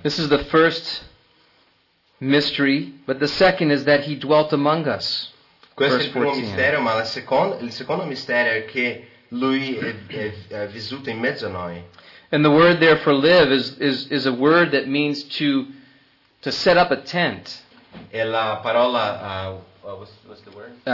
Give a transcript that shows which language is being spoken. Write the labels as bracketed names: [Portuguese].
[English] This is the first mystery, but the second is that he dwelt among us. [Italian] Questo è il primo mistero, ma il secondo mistero è che lui è vissuto in mezzo a noi. [English] And the word there for live is a word that means to set up a tent. [Italian] E la parola [English] what's the word?